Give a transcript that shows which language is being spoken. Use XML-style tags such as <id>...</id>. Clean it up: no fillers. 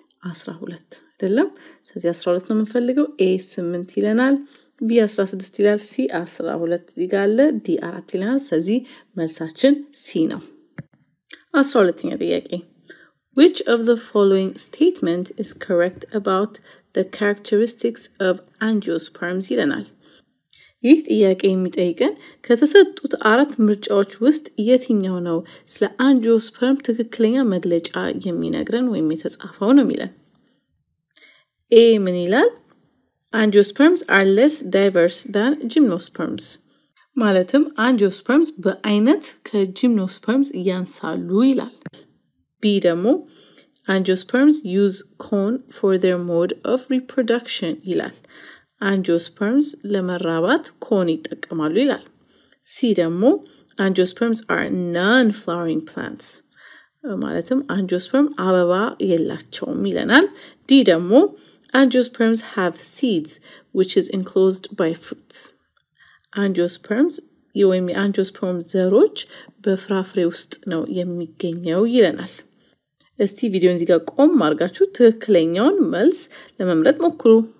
<am>12 አይደለም ስለዚህ 12 ነው የምንፈልገው a 8 ይለናል b 16 ይላል c 12 ይጋለ d 4 ይለናል ስለዚህ መልሳችን c ነው 12ኛ ጥያቄ</am> <en>Which of the following statement is correct about the characteristics of angiosperms?</en> <am>ይለናል. ይህ ጥያቄ የሚጠይቀን ከተሰጡት አራት ምርጫዎች ውስጥ የትኛው ነው ስለ አንጂዮስፐርም ትክክለኛ መግለጫ የሚነግረን ወይም የተጻፈው ነው የሚለን. ኤ ምን ይላል?</am> <en>Angiosperms are less diverse than gymnosperms.</en> <am>ማለትም angiosperms በአይነት ከgymnosperms ያንሳሉ ይላል። ቢ ደግሞ</am> <en>Angiosperms use cone for their mode of reproduction</en> <am>ይላል። Angiosperms ለመራባት ኮን ይጠቀማሉ ይላል። ሲ ደግሞ</am> <en>Angiosperms are non-flowering plants.</en> <am>ማለትም angiosperm አበባ የላቸውም ይለናል። ዲ ደግሞ</am> <en>Angiosperms have seeds, which is enclosed by fruits.</en> <am>Angiosperms, የወይም የአንጆስፐርም ዘሮች በፍራፍሬ ውስጥ ነው የሚገኘው ይለናል። እስቲ ቪዲዮን እዚህ ጋር ቆም አድርጋችሁ ትክክለኛውን መልስ ለመምረጥ ሞክሩ።</am>